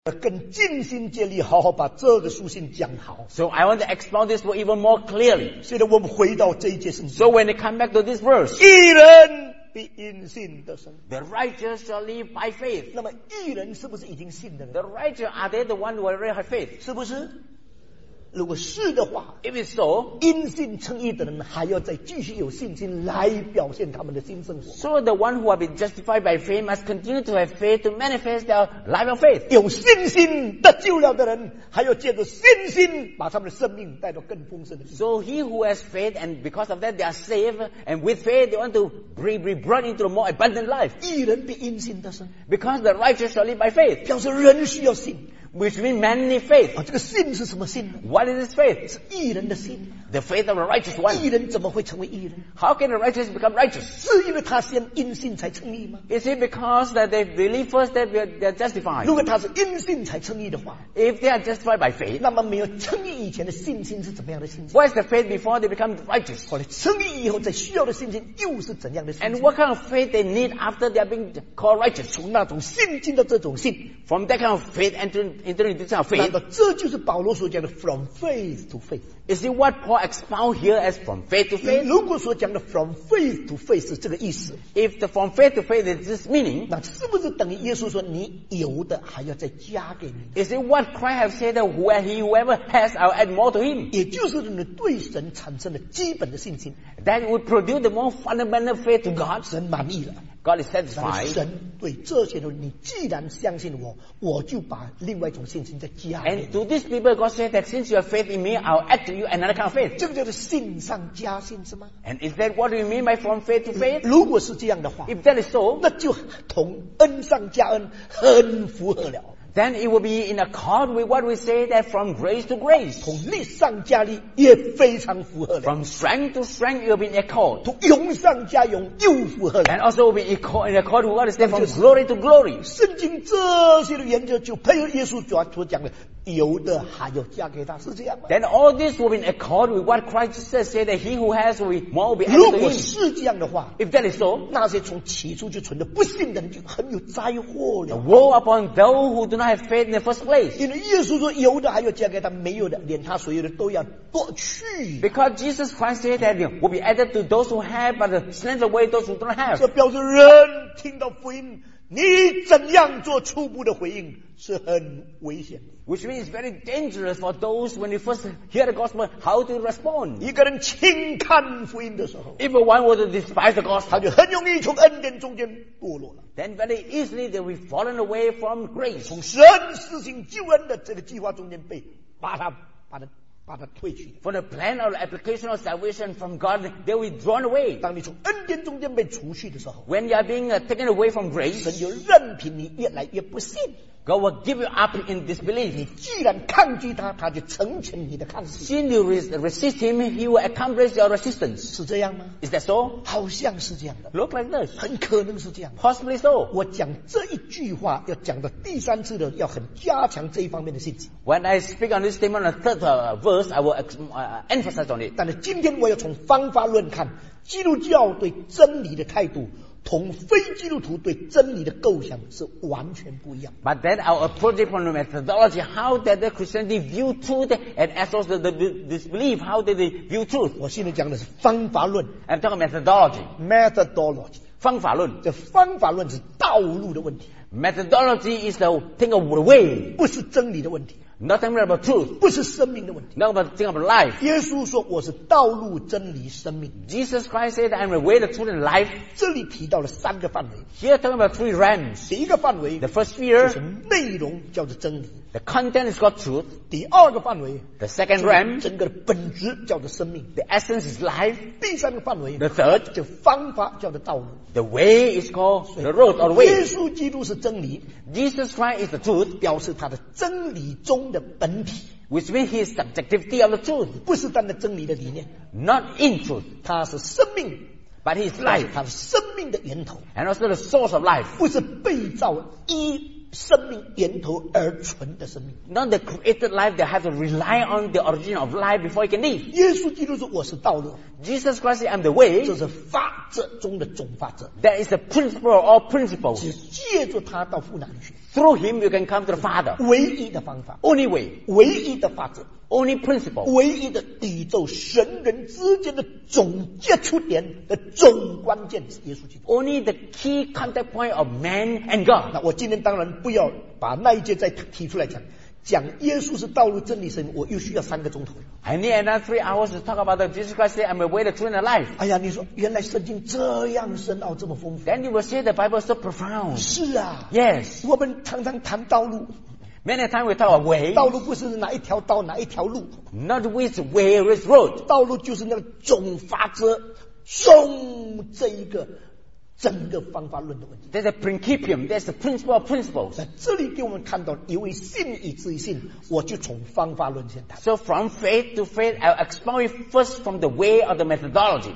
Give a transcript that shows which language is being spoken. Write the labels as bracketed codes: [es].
[zh] 更尽心竭力好好把这个书信讲好。 [en] So I want to explain this word even more clearly. [zh] 所以我们回到这一节圣经。 [en] So when they come back to this verse, [zh] 义人必因信得生。 [en] The righteous shall live by faith. [zh] 那么义人是不是已经信的了？ [en] The righteous, are they the one who already have faith? [zh] 是不是？如果是的话， [en] if it's so, [zh] 因信称义的人还要再继续有信心来表现他们的新生活。 [en] So the one who have been justified by faith must continue to have faith to manifest their life of faith. [zh] 有信心得救了的人还要借着信心把他们的生命带到更丰盛的。 [en] So he who has faith and because of that they are saved and with faith they want to be brought into a more abundant life. [zh] 义人必因信得生。 [en] Because the righteous shall live by faith. [zh] 表示人需要信。 [en] Which means man need faith. [zh] 这个信是什么信？ [en] What is this faith? [zh] 是义人的信。 [en] The faith of a righteous one. [zh] 义人怎么会成为义人？ [en] How can a righteous become righteous? [zh] 是因为他先因信才称义吗？ [en] Is it because that they believe first that they are justified? [zh] 如果他是因信才称义的话， [en] If they are justified by faith, [zh] 那么没有称义以前的信心是怎么样的信心？ [en] What is the faith before they become righteous? [zh] 后来称义以后再需要的信心又是怎样的信心？ [en] And what kind of faith they need after they are being called righteous? [zh] 从那种信进到这种信。 [en] From that kind of faith entering this kind of faith. [zh] 难道这就是保罗所讲的 [en] from faith to faith? Is it what Paul expounds here as from faith to faith? [zh] 如果所讲的 [en] from faith to faith [zh] 是这个意思， [en] If the from faith to faith is this meaning, [zh] 那是不是等于耶稣说你有的还要再加给你？ [en] Is it what Christ has said that whoever has, I'll add more to him? [zh] 也就是你对神产生了基本的信心。 [en] That would produce the more fundamental faith to God. [zh] 神满意了。 [en] God is satisfied. [zh] 神对这些人，你既然相信我，我就把另外一种信心再加给你。 [en] And to these people, God said that since you have faith in me, I'll add to you another kind of faith. [zh] 这个叫做信上加信是吗？ [en] And is that what you mean by from faith to faith? [zh] 如果是这样的话， [en] if that is so, [zh] 那就同恩上加恩很符合了。 [en] Then it will be in accord with what we say that from grace to grace. [zh] 从力上加力也非常符合了。 [en] From strength to strength, it will be in accord. [zh] 从勇上加勇又符合了。 [en] And also will be in accord with what we say from glory to glory. [zh] 圣经这些的原则就配合耶稣所讲的，有的还要加给他，是这样吗？ [en] Then all this will be in accord with what Christ said, say that he who has will be more will be added to him. [zh] 如果是这样的话， [en] if that is so, [zh] 那些从起初就存的不信的人就很有灾祸了。 [en] The woe upon those who do not have faith in the first place. [zh] 因为耶稣说有的还要加给他，没有的连他所有的都要夺去。 [en] Because Jesus Christ said that will be added to those who have, but snatched away those who don't have. [zh] 这表示人听到福音，你怎样做初步的回应是很危险的。 [en] Which means very dangerous for those when they first hear the gospel, how to respond. [zh] 一个人轻看福音的时候， [en] if one were to despise the gospel, [zh] 他就很容易从恩典中间堕落了。 [en] Then very easily they will be fallen away from grace. [zh] 从神施行救恩的这个计划中间被把他退去。 [en] For the plan or application of salvation from God, they will be drawn away. [zh] 当你从恩典中间被除去的时候， [en] when you are being taken away from grace, [zh] 神就任凭你越来越不信。 [en] God will give you up in disbelief. [zh] 你既然抗拒他，他就成全你的抗拒。 [en] Since you resist him, he will accomplish your resistance. [zh] 是这样吗？ [en] Is that so? [zh] 好像是这样的。 [en] Look like this. [zh] 很可能是这样。 [en] Possibly so. [zh] 我讲这一句话，要讲到第三次的，要很加强这一方面的信心。 [en] When I speak on this statement, the third verse, I will emphasize on it. [zh] 但是今天我要从方法论看，基督教对真理的态度同非基督徒对真理的构想是完全不一样。 [en] But then I'll approach it from the methodology. How did the Christianity view truth and as also the disbelief? How did they view truth? [zh] 我现在讲的是方法论。 [en] I'm talking about methodology. Methodology. [zh] 方法论。这方法论是道路的问题。 [en] Methodology is the thing of the way. [zh] 不是真理的问题。 [en] Nothing about truth. [zh] 不是生命的问题。 [en] Not about thing of life. [zh] 耶稣说我是道路真理生命。 [en] Jesus Christ said I'm the way, the truth and life. [zh] 这里提到了三个范围。 [en] Here talking about three realms. [zh] 第一个范围。 [en] The first sphere. [zh] 就是内容叫做真理。 [en] The content is called truth. [zh] 第二个范围。 [en] The second realm. [zh] 整个的本质叫做生命。 [en] The essence is life. [zh] 第三个范围。 [en] The third. [zh] 就方法叫做道路。 [en] The way is called the road or the way. [zh] 耶稣基督是真理。 [en] Jesus Christ is the truth. [zh] 表示他的真理中的本体。 [en] Which means his subjectivity of the truth. [zh] 不是单单真理的理念。 [en] Not in truth. [zh] 他是生命。 [en] But his life. [zh] 他是生命的源头。 [en] And also the source of life. [zh] 不是被造一生命源头而存的生命。 [en] Not the created life that has to rely on the origin of life before it can live. [zh] 耶稣基督说我是道路。 [en] Jesus Christ, I am the way. [zh] 这是法则中的总法则。 [en] That is the principle of all principles. [zh] 只借助他到父那里去。 [en] Through him, you can come to the Father. [zh] 唯一的方法。 [en] Only way. [zh] 唯一的法则。 [en] Only principle. [zh] 唯一的宇宙神人之间的总接触点的总关键是耶稣基督。 [en] Only the key contact point of man and God. [zh] 那我今天当然不要把那一节再提出来讲，讲耶稣是道路真理神，我又需要三个钟头。 [en] I need another 3 hours to talk about the Jesus Christ. I'm a way, the truth, and the life. [zh] 哎呀，你说原来圣经这样深奥，这么丰富。 [en] Then you will say the Bible is so profound. [zh] 是啊。 [en] Yes. [zh] 我们常常谈道路。 [en] Many times we talk about way. [zh] 道路不是哪一条道哪一条路。 [en] Not which way, which road. [zh] 道路就是那个总法则，总这一个。整个方法论的问题。 [en] That's a principium. That's the principle of principles. [zh] 在这里给我们看到，因为信以至于信，我就从方法论先谈。 [en] So from faith to faith, I'll explain first from the way of the methodology.